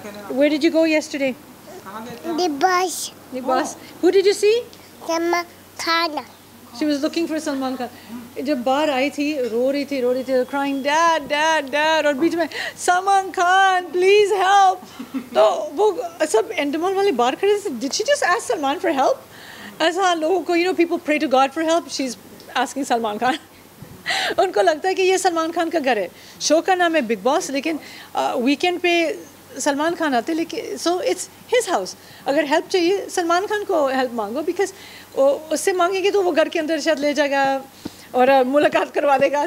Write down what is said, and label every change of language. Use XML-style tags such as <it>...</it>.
<en>Where did you go yesterday? The bus. Who did you see? Salman Khan. She was looking for Salman Khan.</en> <hi>जब बाहर आई थी, रो रही थी, crying, dad, और बीच में Salman Khan, please help. तो वो सब एंडमोल वाले बाहर खड़े थे.</hi> <en>Did she just ask Salman for help?</en> <hi>ऐसा लोगों को,</hi> <en>you know, people pray to God for help. She's asking Salman Khan.</en> <hi>उनको लगता है कि ये सलमान खान का घर है. शो का नाम है बिग बॉस, लेकिन वीकेंड पे सलमान खान आते, लेकिन</hi> <en>So it's his house.</en> <hi>अगर हेल्प चाहिए, सलमान खान को हेल्प मांगो, बिकॉज वो उससे मांगेंगे तो वो घर के अंदर शायद ले जाएगा और मुलाकात करवा देगा.</hi>